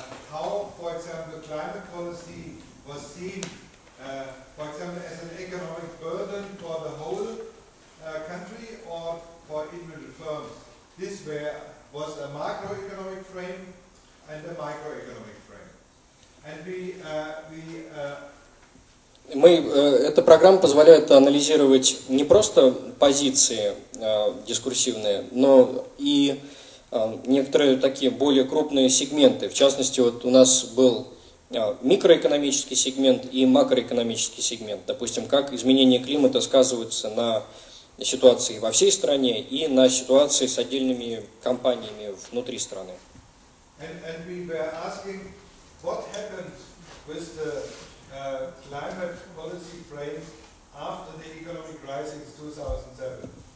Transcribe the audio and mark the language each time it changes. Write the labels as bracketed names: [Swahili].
[English] How, for example, climate policy was seen, for example, as an economic burden for the whole country or for individual firms. This was a macroeconomic frame and a microeconomic frame. And [Russian] эта программа позволяет анализировать не просто позиции дискурсивные, но и некоторые такие более крупные сегменты. В частности, вот у нас был микроэкономический сегмент и макроэкономический сегмент. Допустим, как изменения климата сказываются на ситуации во всей стране и на ситуации с отдельными компаниями внутри страны. [English] And we were asking, what happened with the climate policy frame after the economic crisis 2007?